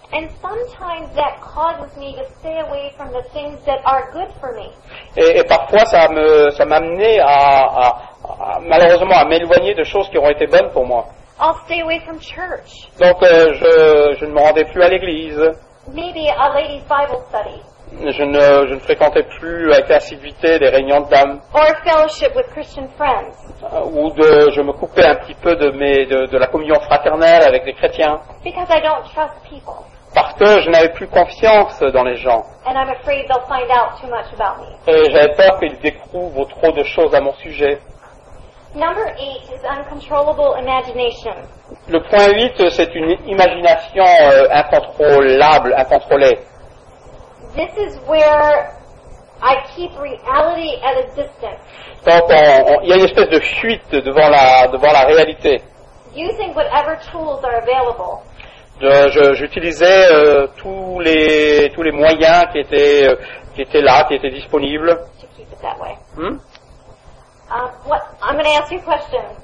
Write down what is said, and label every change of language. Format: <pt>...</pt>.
<en>And sometimes that causes me to stay away from the things that are good for me.</en> <fr>Et parfois ça m'amenait à malheureusement à m'éloigner de choses qui auraient été bonnes pour moi.</fr> <en>I'll stay away from church.</en> <fr>Donc je ne me rendais plus à l'église.</fr> <en>Maybe a ladies Bible study.</en> <fr>Je ne fréquentais plus avec assiduité des réunions de dames.</fr> <en>Or fellowship with Christian friends.</en> <fr>Je me coupais un petit peu de la communion fraternelle avec des chrétiens.</fr> <en>Because I don't trust people.</en> <fr>Parce que je n'avais plus confiance dans les gens.</fr> <en>And I'm afraid they'll find out too much about me.</en> <fr>Et j'avais peur qu'ils découvrent trop de choses à mon sujet.</fr> <en>Number 8 is uncontrollable imagination.</en> <fr>Le point 8, c'est une imagination incontrôlable, incontrôlée.</fr> <en>This is where I keep reality at a distance.</en> <fr>Donc, il y a une espèce de fuite devant la réalité.</fr> <en>Using whatever tools are available.</en> <fr>J'utilisais tous les moyens qui étaient disponibles.</fr> <en>To keep it that way. I'm going to ask you a question.</en>